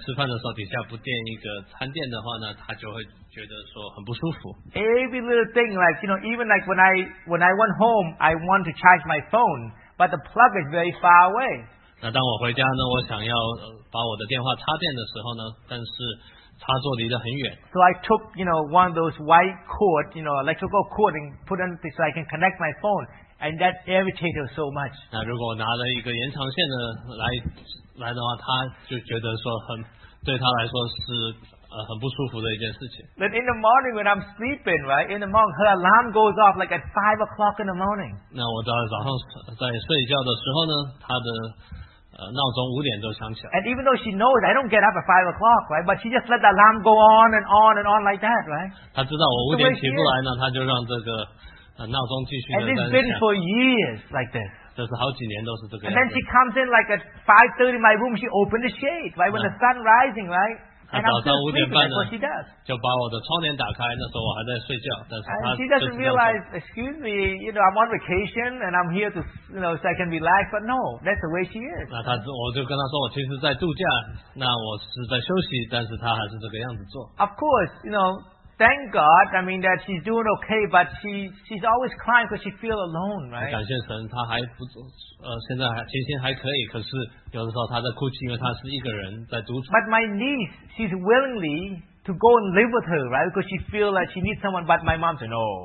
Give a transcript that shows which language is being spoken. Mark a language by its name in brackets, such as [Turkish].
[Chinese] 那如果你在吃饭的时候底下不垫一个餐垫的话呢, 她就会觉得说很不舒服。 [English] Every little thing, like, you know, even like when I went home, I want to charge my phone, but the plug is very far away. [Chinese] 那当我回家呢, 我想要, 把我的电话插电的时候呢, 但是插座离得很远。 [English] So I took, you know, one of those white cord, you know, electrical cord, and put it so I can connect my phone, and that irritated so much. [Chinese] 那如果拿了一个延长线呢, 来的话, 他就觉得说很, 对他来说是, 很不舒服的一件事情。 [English] But in the morning when I'm sleeping, right, in the morning, her alarm goes off like at 5 o'clock in the morning. [Chinese] 那我早上在睡觉的时候呢, 他的, 闹钟5点就响起来。 [English] And even though she knows I don't get up at 5 o'clock, right, but she just let the alarm go on and on and on like that, right? [Chinese] 他知道我5点起不来呢, 他就让这个, 闹钟继续的, [English] and it's been for years like this. And then she comes in like at 5:30 in my room, she opened the shade, right? When the sun rising, right? And I'm still sleeping, that's what she does. [Chinese] 就把我的窗帘打开, 那时候我还在睡觉, [English] and she doesn't realize, excuse me, you know, I'm on vacation and I'm here to, you know, so I can relax, but no, that's the way she is. [Chinese] 那她我就跟她说我其实在度假, 那我是在休息, 但是她还是这个样子做。 [English] Of course, you know, thank God, I mean, that she's doing okay, but she's always crying because she feels alone, right? [Chinese] 感谢神, 她还不, 现在情形还可以, 可是有的时候她在哭泣, 因为她是一个人在独处。 [English] But my niece, she's willingly to go and live with her, right? Because she feels like she needs someone, but my mom said, no.